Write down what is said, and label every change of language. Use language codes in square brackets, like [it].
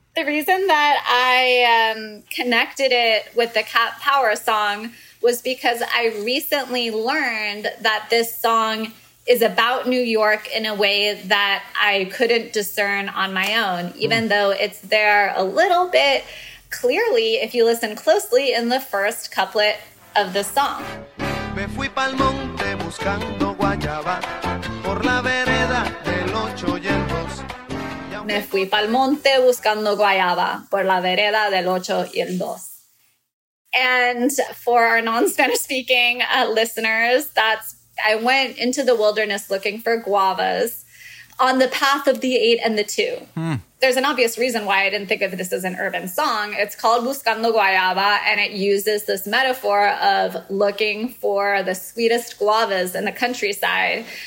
[en] The reason that I connected it with the Cat Power song was because I recently learned that this song is about New York in a way that I couldn't discern on my own, even though it's there a little bit clearly if you listen closely in the first couplet of the song. [es] Me fui pa'l monte buscando guayaba por la vereda del ocho y el dos. Me fui pa'l monte buscando guayaba por la vereda del ocho y el dos. [en] And for our non-Spanish speaking listeners, that's, I went into the wilderness looking for guavas on the path of the eight and the two. Hmm. There's an obvious reason why I didn't think of this as an urban song. It's called Buscando Guayaba, and it uses this metaphor of looking for the sweetest guavas in the countryside.